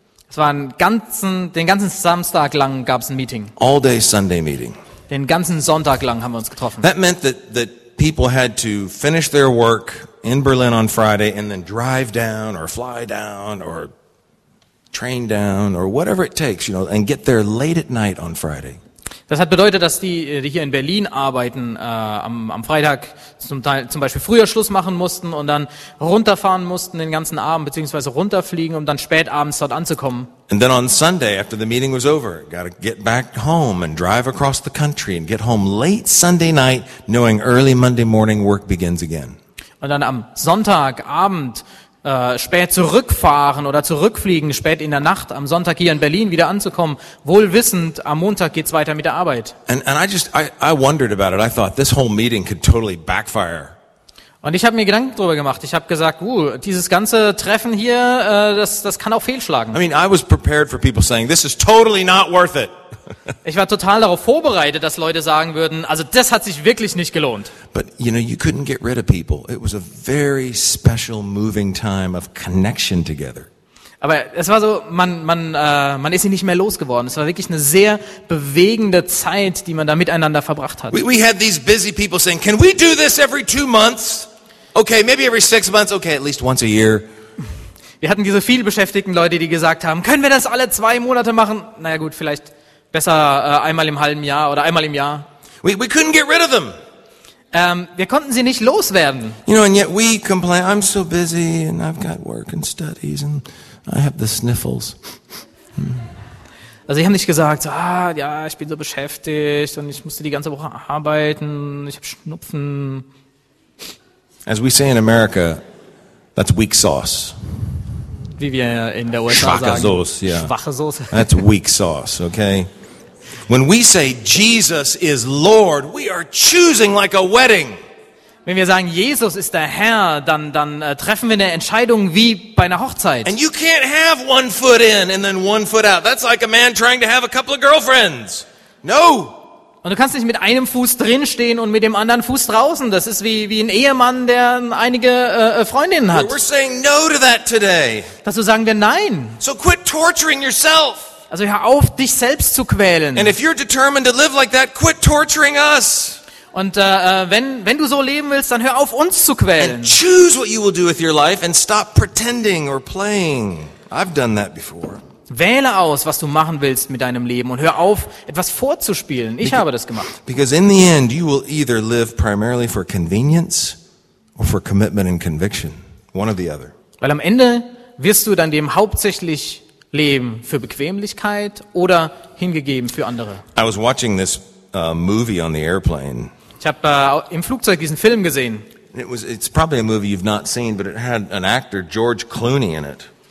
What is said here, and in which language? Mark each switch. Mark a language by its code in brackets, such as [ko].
[de] Es war den ganzen Samstag lang gab's ein Meeting. [en] All day Sunday meeting. [de] Den ganzen Sonntag lang haben wir uns getroffen. [en] That meant that people had to finish their work in Berlin on Friday and then drive down or fly down or train down or whatever it takes, you know, and get there late at night on Friday. [de] Das hat bedeutet, dass die hier in Berlin arbeiten, am Freitag zum Beispiel früher Schluss machen mussten und dann runterfahren mussten den ganzen Abend, beziehungsweise runterfliegen, um dann spät abends dort anzukommen. [en] And then on Sunday, after the meeting was over, gotta get back home and drive across the country and get home late Sunday night, knowing early Monday morning work begins again. [de] Und dann am Sonntagabend spät zurückfahren oder zurückfliegen, spät in der Nacht, am Sonntag hier in Berlin wieder anzukommen, wohl wissend, am Montag geht's weiter mit der Arbeit. [en] And I wondered about it. I thought this whole meeting could totally backfire. [de] Und ich habe mir Gedanken darüber gemacht. Ich habe gesagt, dieses ganze Treffen hier, das kann auch fehlschlagen. [en] I mean, I was prepared for people saying, this is totally not worth it. [de] Ich war total darauf vorbereitet, dass Leute sagen würden, also das hat sich wirklich nicht gelohnt. [en] But you know, you couldn't get rid of people. It was a very special moving time of connection together. [de] Aber es war so, man ist sie nicht mehr losgeworden. Es war wirklich eine sehr bewegende Zeit, die man da miteinander verbracht hat. [en] We had these busy people saying, can we do this every 2 months? Okay, maybe every 6 months. Okay, at least once a year. [de] Wir hatten diese viel beschäftigten Leute, die gesagt haben, können wir das alle 2 Monate machen? Naja gut, vielleicht besser einmal im halben Jahr oder einmal im Jahr. [en] We couldn't get rid of them. [de] Wir konnten sie nicht loswerden. [en] You know, and yet we complain, I'm so busy and I've got work and studies and I have the sniffles. [de] Also, sie haben nicht gesagt, ich bin so beschäftigt und ich musste die ganze Woche arbeiten, ich habe Schnupfen. [en] As we say in America, that's weak sauce. [de] Wie wir in der USA Schwache sagen. [en] Sauce, yeah. [de] Schwache Soße. [en] That's weak sauce, okay? When we say Jesus is Lord, we are choosing like a wedding. [de] Wenn wir sagen, Jesus ist der Herr, dann treffen wir eine Entscheidung wie bei einer Hochzeit. [en] And you can't have one foot in and then one foot out. That's like a man trying to have a couple of girlfriends. No. [de] Und du kannst nicht mit einem Fuß drin stehen und mit dem anderen Fuß draußen. Das ist wie ein Ehemann, der einige Freundinnen hat. [en] We're saying no to that today. [de] Dazu sagen wir nein. [en] So quit torturing yourself. [de] Also hör auf, dich selbst zu quälen. [en] And if you're determined to live like that, quit torturing us. [de] Und wenn du so leben willst, dann hör auf, uns zu quälen. [en] And choose what you will do with your life and stop pretending or playing. I've done that before. [de] Wähle aus, was du machen willst mit deinem Leben und hör auf, etwas vorzuspielen. Ich habe das gemacht. [en] Because in the end, you will either live primarily for convenience or for commitment and conviction. One or the other. [de] Weil am Ende wirst du dann dem hauptsächlich leben für Bequemlichkeit oder hingegeben für andere. [en] I was watching this movie on the airplane. [de] Ich habe im Flugzeug diesen Film gesehen. [en] It's probably a movie you've not seen, but it had an actor, George Clooney, in it.